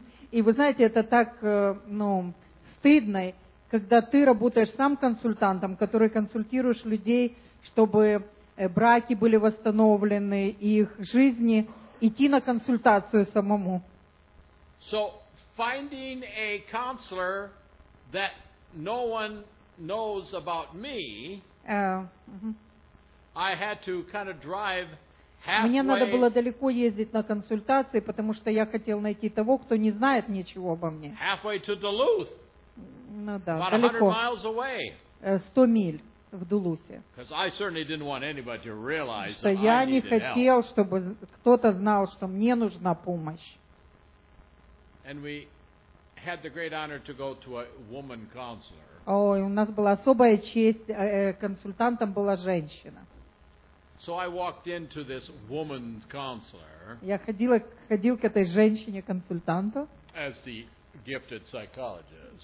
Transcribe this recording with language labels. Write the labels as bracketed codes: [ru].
[ru] И вы знаете, это так, ну, стыдно, когда ты работаешь сам консультантом, который консультируешь людей, чтобы браки были восстановлены, их жизни, идти на консультацию самому. [en] So finding a counselor that no one knows about me, I had to kind of drive halfway. [ru] Мне надо было далеко ездить на консультации, потому что я хотел найти того, кто не знает ничего обо мне. [en] Halfway to Duluth. [ru] Ну да, [en] about [ru] далеко. [en] 100 miles away. [ru] 100 миль в Дулусе. [en] Because I certainly didn't want anybody to realize [ru] что [en] that [ru] я [en] I [ru] не хотел, чтобы кто-то знал, что мне нужна помощь. [en] And we had the great honor to go to a woman counselor. [ru] Ой, у нас была особая честь, консультантом была женщина. [en] So I walked into this woman counselor. [ru] Я ходил к этой женщине-консультанту. [en] As the gifted psychologist.